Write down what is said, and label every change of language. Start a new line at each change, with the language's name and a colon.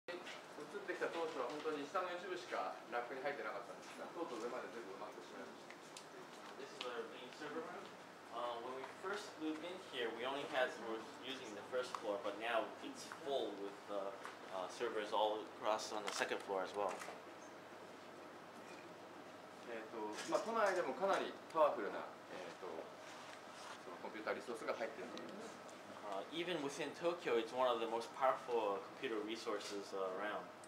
Japanese: 本当に下の一部しかラックに入ってなかったんですが、とうとう上まで全部埋まってしまいました。
English: This is our main server room. When we first moved in here, we only had we're using the first floor, but now it's full with servers all across on the second floor as well.
Japanese: 都内でもかなりパワフルな、そのコンピューターリソースが入っているので。
English: Even within Tokyo, it's one of the most powerful computer resources around.